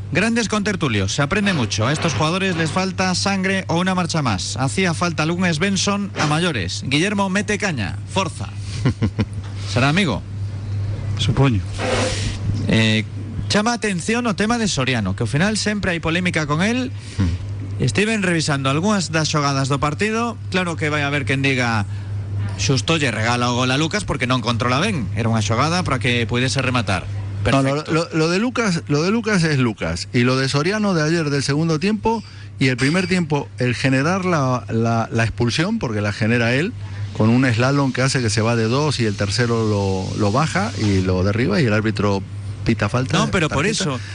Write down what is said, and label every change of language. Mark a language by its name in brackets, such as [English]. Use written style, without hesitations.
[Spanish] Grandes contertulios, se aprende mucho. A estos jugadores les falta sangre o una marcha más. Hacía falta algún Svensson a mayores. Guillermo, mete caña, forza. ¿Será amigo? Supongo. [Galician] Chama atención o tema de Soriano, [Spanish] que al final siempre hay polémica con él. [Galician] Estiven revisando algunas das xogadas do partido. Claro que vai a haber quien diga: xusto lle regala o gol a Lucas porque non controla ben. Era unha xogada para que pudese rematar. [Spanish] Perfecto. No, lo de Lucas es Lucas. Y lo de Soriano de ayer, del segundo tiempo y el primer tiempo, el generar la expulsión, porque la genera él con un slalom que hace que se va de dos y el tercero lo baja y lo derriba y el árbitro pita falta. No, pero por eso